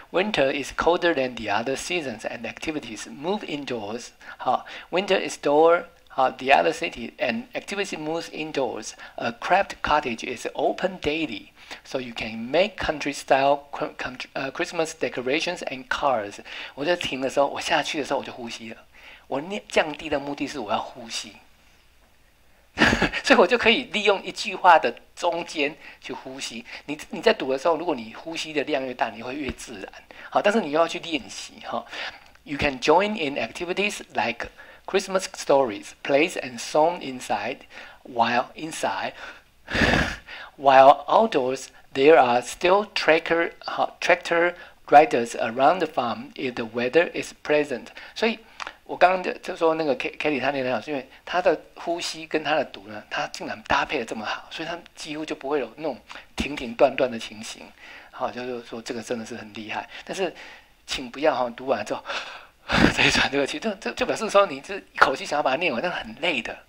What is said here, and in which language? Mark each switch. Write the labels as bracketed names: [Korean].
[English] Winter is colder than the other seasons and activities. Move indoors. 好，Winter is dull. 好，the other city and activity moves indoors. A craft cottage is open daily, so you can make country-style Christmas decorations and cards. [Chinese] 我在停的时候，我下去的时候我就呼吸了。我念降低的目的是我要呼吸。所以我就可以利用一句话的中间去呼吸。你在读的时候，如果你呼吸的量越大，你会越自然。好，但是你又要去练习哈。 [English] You can join in activities like Christmas stories, plays and song inside while outdoors there are still tractor riders around the farm if the weather is pleasant. [Chinese] 所以我刚刚就说那个 Kelly 他念得很好，是因为他的呼吸跟他的读呢，他竟然搭配得这么好，所以他几乎就不会有那种停停断断的情形。好，就是说这个真的是很厉害。但是请不要哈，读完之后再喘这个气，就表示说你是一口气想要把它念完，那很累的。